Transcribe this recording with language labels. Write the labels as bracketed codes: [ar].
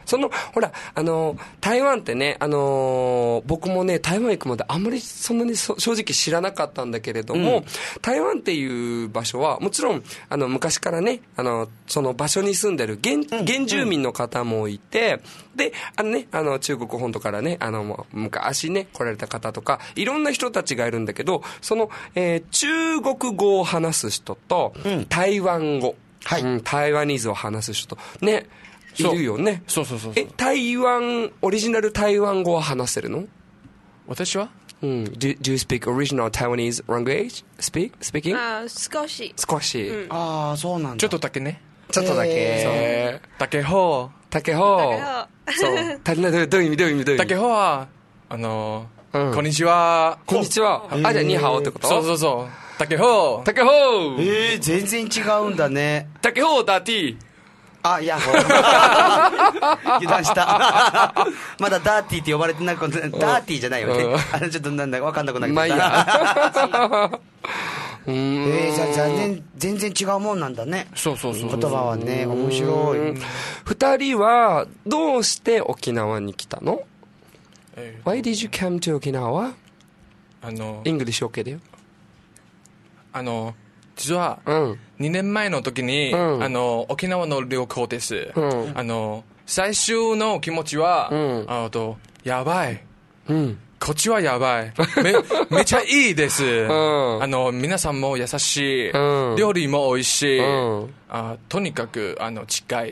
[ja] その、ほら、台湾ってね、僕もね、台湾行くまであんまりそんなに正直知らなかったんだけれども、うん、台湾っていう場所は、もちろん、昔からね、その場所に住んでる原住民の方もいて、うんうん、で、中国本土からね、昔ね、来られた方とか、いろんな人たちがいるんだけど、その、中国語を話す人と、うん、台湾語、はい、うん、台湾語を話す人ね、いるよね。そうそうそうそう。え、台湾オリジナル台湾語は話せるの？私は？うん。 [en] Do you speak original Taiwanese language? Speaking? [ja] 少し。少し。うん、ああ、そうなんだ。ちょっとだけね。ちょっとだけ。 [nan] タケホ。タケホ。そう。タケホ。 [ja] どういう意味？どういう意味？どういう意味？タケホは、うん、こんにちは。こんにちは。あ、じゃあ、ニハオってこと？そうそうそう。タケホ。 [nan] タケホ。 [ja] 全然違うんだね。タケホ、ダーティー。あ、いや、油断した。まだダーティーって呼ばれてなくて、ダーティーじゃないよね。あれちょっとなんだか分かんなくなりました。まあいいや。じゃあ全然違うもんなんだね。そうそうそう。言葉はね、面白い。二人はどうして沖縄に来たの？ [en] Why did you come to Okinawa? [ja] イングリッシュ OK だよ。実は、うん、2年前の時に、うん、沖縄の旅行です、うん、最終の気持ちは、うん、やばい、うん、こっちはやばい めちゃいいです、うん、皆さんも優しい、うん、料理も美味しい、うん、とにかく近い、